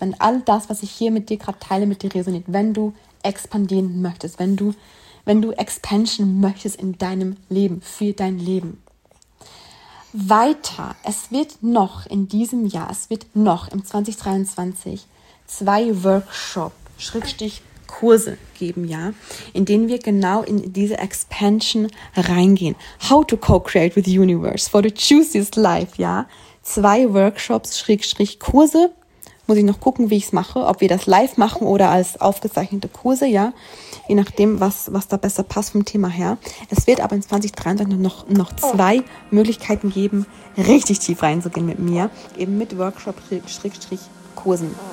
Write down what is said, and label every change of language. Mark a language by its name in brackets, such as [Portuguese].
[German] Wenn all das, was ich hier mit dir gerade teile, mit dir resoniert, wenn du expandieren möchtest, wenn du Expansion möchtest in deinem Leben, für dein Leben. Weiter, es wird noch in diesem Jahr, es wird noch im 2023 2 Workshop-Schrittstich Kurse geben, ja, in denen wir genau in diese Expansion reingehen. [English] How to co-create with the universe for the juiciest life, ja. [German] 2 Workshops-Kurse, muss ich noch gucken, wie ich es mache, ob wir das live machen oder als aufgezeichnete Kurse, ja, je nachdem, was da besser passt vom Thema her. Es wird aber in 2023 noch 2 Möglichkeiten geben, richtig tief reinzugehen mit mir, eben mit Workshop-Kursen.